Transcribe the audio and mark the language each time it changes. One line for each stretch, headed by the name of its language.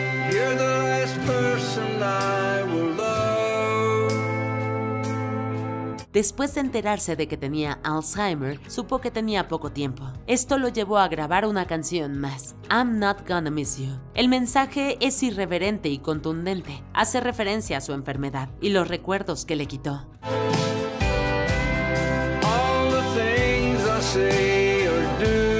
English: You're the last person I will love.
Spanish: Después de enterarse de que tenía Alzheimer, supo que tenía poco tiempo. Esto lo llevó a grabar una canción más.
English: I'm not gonna miss you.
Spanish: El mensaje es irreverente y contundente. Hace referencia a su enfermedad y los recuerdos que le quitó.
English: All the things I say or do.